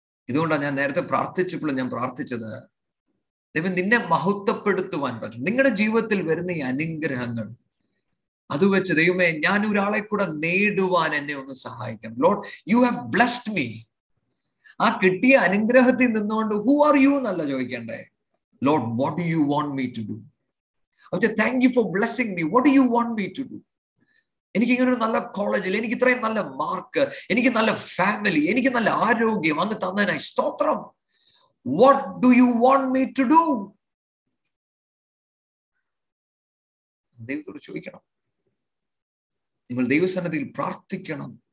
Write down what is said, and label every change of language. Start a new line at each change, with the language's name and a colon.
Malayalam: ഇതുകൊണ്ടാണ് ഞാൻ നേരത്തെ പ്രാർത്ഥിച്ചപ്പോഴും ഞാൻ പ്രാർത്ഥിച്ചത്, ദൈവം നിന്നെ മഹത്വപ്പെടുത്തുവാൻ പറ്റും. നിങ്ങളുടെ ജീവിതത്തിൽ വരുന്ന ഈ അനുഗ്രഹങ്ങൾ, അത് വെച്ച് ദൈവമേ ഞാൻ ഒരാളെ കൂടെ നേടുവാൻ എന്നെ ഒന്ന് സഹായിക്കണം.
English: Lord, you have blessed me.
Malayalam: ആ കിട്ടിയ അനുഗ്രഹത്തിൽ നിന്നുകൊണ്ട്
English: who are you
Malayalam: എന്നല്ല ചോദിക്കണ്ടേ.
English: Lord, what do you want me to do? Okay, thank you for blessing me. What do you want me to do?
Malayalam: എനിക്ക് ഇങ്ങനെ ഒരു നല്ല കോളേജിൽ, എനിക്ക് ഇത്രയും നല്ല മാർക്ക്, എനിക്ക് നല്ല ഫാമിലി, എനിക്ക് നല്ല ആരോഗ്യം, അങ്ങ് തന്നതിനായി സ്തോത്രം.
English: What do you want me to do?
Malayalam: ദൈവത്തോട് ചോദിക്കണം. നിങ്ങൾ ദൈവസന്നിധിയിൽ പ്രാർത്ഥിക്കണം.